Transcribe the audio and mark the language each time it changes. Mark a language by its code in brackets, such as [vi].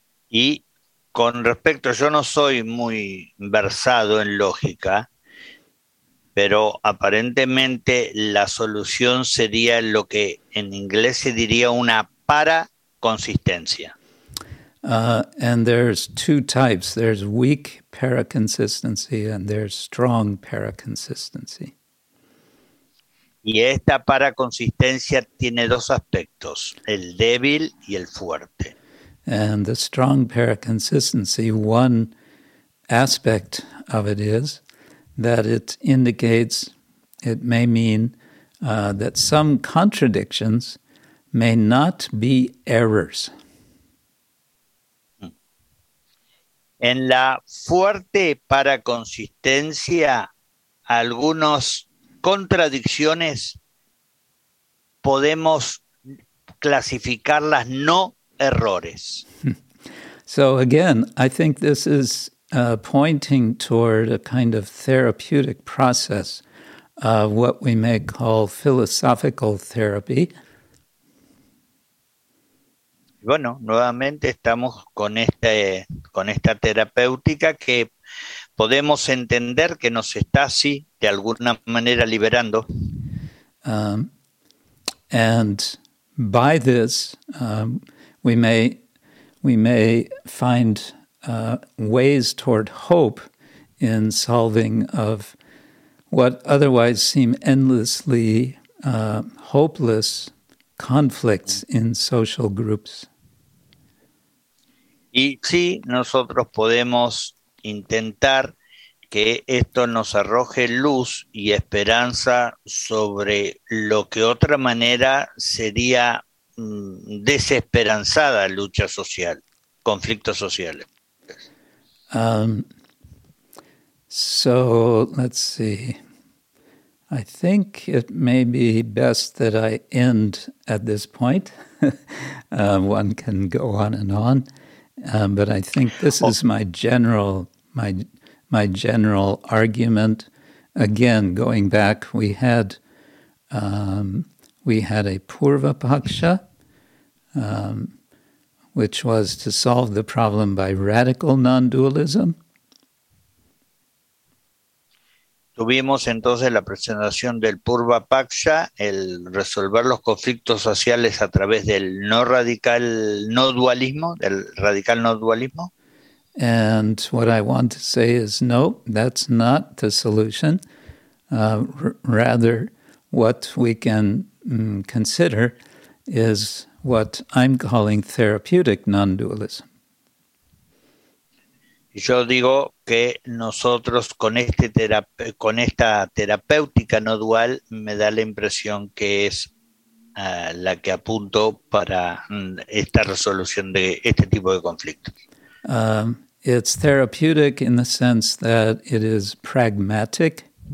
[es] Y con respecto, yo no soy muy versado en lógica, pero aparentemente la solución sería lo que en inglés se diría una paraconsistencia. [en] And there's two types. There's weak paraconsistency and there's strong paraconsistency. [es] Y esta paraconsistencia tiene dos aspectos, el débil y el fuerte. [en] And the strong paraconsistency, one aspect of it is that it indicates, it may mean that some contradictions may not be errors. [es] En la fuerte paraconsistencia, algunos contradicciones podemos clasificarlas no errores. [en] So again, I think this is pointing toward a kind of therapeutic process of what we may call philosophical therapy. [es] Bueno, nuevamente estamos con esta terapéutica que podemos entender que nos está así de alguna manera liberando. [en] And by this, we may find ways toward hope in solving of what otherwise seem endlessly hopeless conflicts in social groups. [es] Y sí, nosotros podemos intentar que esto nos arroje luz y esperanza sobre lo que otra manera sería desesperanzada lucha social, conflictos sociales. [en] So, let's see. I think it may be best that I end at this point. one can go on and on. But I think this is my general argument. Again, going back, we had a Purva Paksha, which was to solve the problem by radical non-dualism. [es] Tuvimos entonces la presentación del Purva Paksha, el resolver los conflictos sociales a través del no radical no dualismo, del radical no dualismo. [en] And what I want to say is no, that's not the solution. Rather, what we can consider is what I'm calling therapeutic non-dualism. [es] Yo digo que nosotros con este esta terapéutica no dual me da la impresión que es la que apunto para esta resolución de este tipo de conflictos. [en] It's therapeutic in the sense that it is pragmatic.